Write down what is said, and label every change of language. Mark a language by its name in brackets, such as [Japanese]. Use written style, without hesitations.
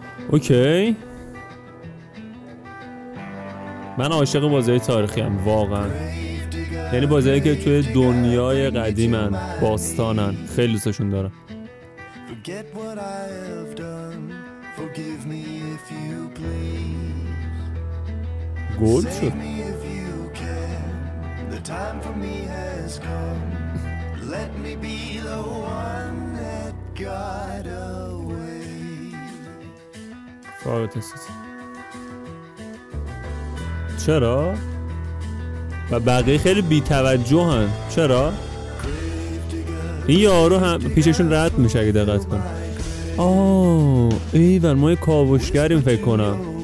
[Persian] اوکی، من عاشق بازی تاریخی هم واقعا، یعنی بازی که توی دنیای قدیم هن باستان هن خیلی دوستشون دارم. [English] Forget what I have done. Forgive me if you please. Save me if you can. The time for me has come. Let me be the one that got away. Forgot this. [Persian] چرا؟ و بقیه خیلی بی توجه هن. چرا؟ این یارو هم پیششون رد میشه اگه دقت کنه. آه ایوان، ما یه کاوشگریم فکر کنم.